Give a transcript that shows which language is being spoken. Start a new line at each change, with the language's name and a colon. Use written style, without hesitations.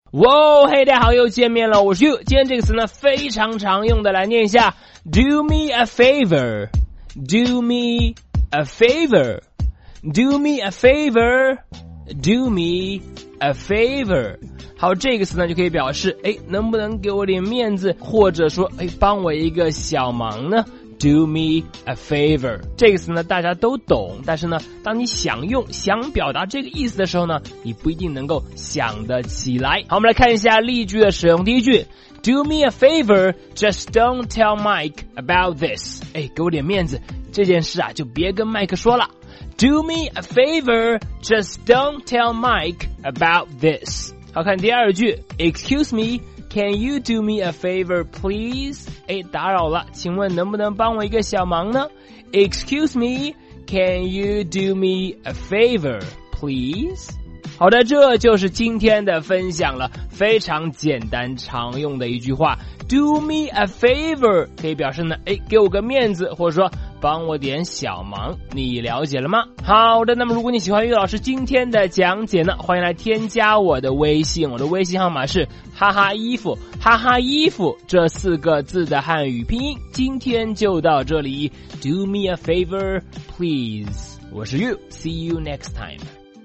Chinese: 哇嘿，大家好，又见面了，我是 You。 今天这个词呢非常常用的，来念一下
English: Do me a favor
Chinese: Do me a favor Do me a favor Do me a favor。好，这个词呢就可以表示哎，能不能给我点面子，或者说哎，帮我一个小忙呢。
English: Do me a favor，
Chinese: 这个词呢大家都懂，但是呢当你想用想表达这个意思的时候呢，你不一定能够想得起来。好，我们来看一下例句的使用。第一句，
English: Do me a favor， just don't tell Mike about this。
Chinese: 哎，给我点面子，这件事啊就别跟麦克说了。
English: Do me a favor， just don't tell Mike about this。
Chinese: 好，看第二句，
English: Excuse meCan you do me a favor, please?
Chinese: 哎，打扰了，请问能不能帮我一个小忙呢？
English: Excuse me, can you do me a favor, please?
Chinese: 好的，这就是今天的分享了，非常简单常用的一句话。
English: Do me a favor
Chinese: 可以表示呢，哎，给我个面子，或者说帮我点小忙，你了解了吗？好的，那么如果你喜欢于老师今天的讲解呢，欢迎来添加我的微信，我的微信号码是哈哈衣服，哈哈衣服这四个字的汉语拼音。今天就到这里，
English: Do me a favor, please。
Chinese: 我是
English: You, see you next time。